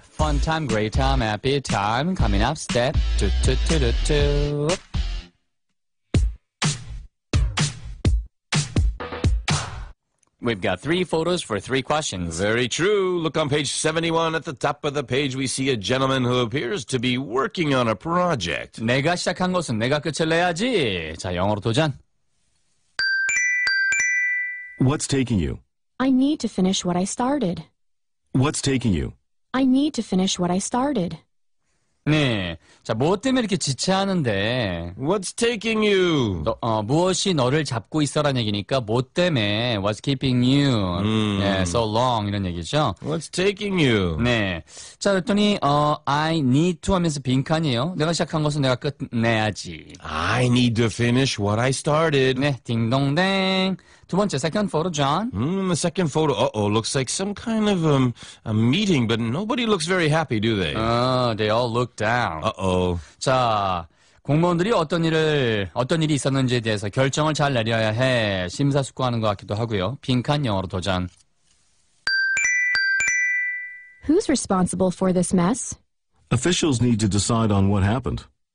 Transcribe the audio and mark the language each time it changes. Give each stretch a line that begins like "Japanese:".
English: Fun time, great time, happy time. Coming up, step two, two, two, two, two. We've got three photos for three questions. Very true. Look on page 71. At the top of the page, we see a gentleman who appears to be working on a project.
Korean: 내가 시작한 것은 내가 끝을 내야지. 자, 영어로 도전.
English: What's taking you? I need to finish what I started. What's taking you? I need to finish what I started.
Korean: 네, 자, 무엇 때문에 이렇게 지체하는데?
English: What's taking you?
Korean: 너, 무엇이 너를 잡고 있어라는 얘기니까 뭐 때문에
English: What's keeping you yeah, so long
Korean: 이런 얘기죠.
English: What's taking you?
Korean: 네, 자, 그랬더니
English: I need to
Korean: 하면서 빈칸이에요. 내가 시작한 것은 내가 끝내야지.
English: I need to finish what I started.
Korean: 네, 딩동댕. 두 번째,
English: second photo, John. The second photo, looks like some kind of a meeting, but nobody looks very happy, do they? They all look down. Uh-oh.
Korean: 자, 공무원들이 어떤 일이 있었는지에 대해서 결정을 잘 내려야 해. 심사숙고하는 것 같기도 하고요. 빈칸 영어로 도전.
English: Who's responsible for this mess? Officials need to decide on what happened.